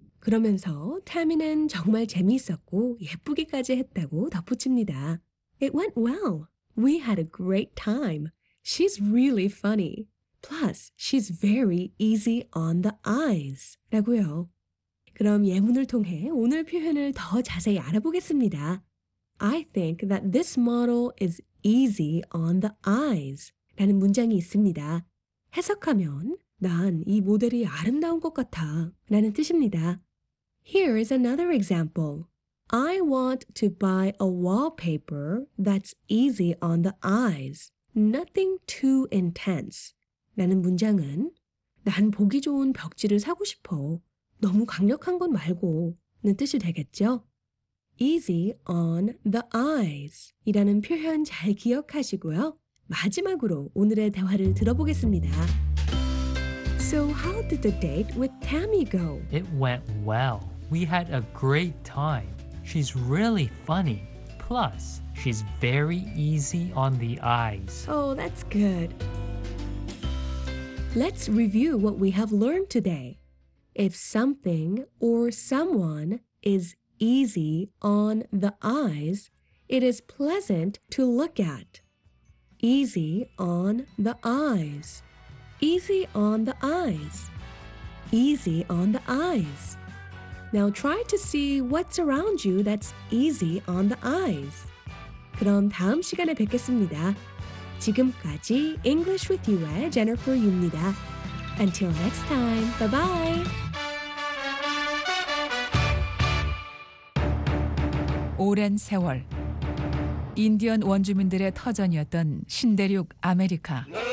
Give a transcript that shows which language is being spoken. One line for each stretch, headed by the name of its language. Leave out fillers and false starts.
Korean: 그러면서 태미는 정말 재미있었고 예쁘기까지 했다고 덧붙입니다.
English: It went well. We had a great time. She's really funny. Plus, she's very easy on the eyes.
Korean: 라고요. 그럼 예문을 통해 오늘 표현을 더 자세히 알아보겠습니다.
English: I think that this model is easy on the eyes.
Korean: 라는 문장이 있습니다. 해석하면, 난 이 모델이 아름다운 것 같아. 라는 뜻입니다.
English: Here is another example. I want to buy a wallpaper that's easy on the eyes. Nothing too intense.
Korean: 라는 문장은 난 보기 좋은 벽지를 사고 싶어. 너무 강력한 건 말고는 뜻이 되겠죠?
English: Easy on the eyes
Korean: 이라는 표현 잘 기억하시고요. 마지막으로 오늘의 대화를 들어보겠습니다.
English: So how did the date with Tammy go? It went well. We had a great time. She's really funny. Plus, she's very easy on the eyes. Oh, that's good. Let's review what we have learned today. If something or someone is easy on the eyes, it is pleasant to look at. Easy on the eyes. Easy on the eyes. Easy on the eyes. Now try to see what's around you that's easy on the eyes.
Korean: 그럼 다음 시간에 뵙겠습니다. 지금까지 English with You의 제니퍼입니다.
English: Until next time, bye-bye!
Korean: 오랜 세월, 인디언 원주민들의 터전이었던 신대륙 아메리카.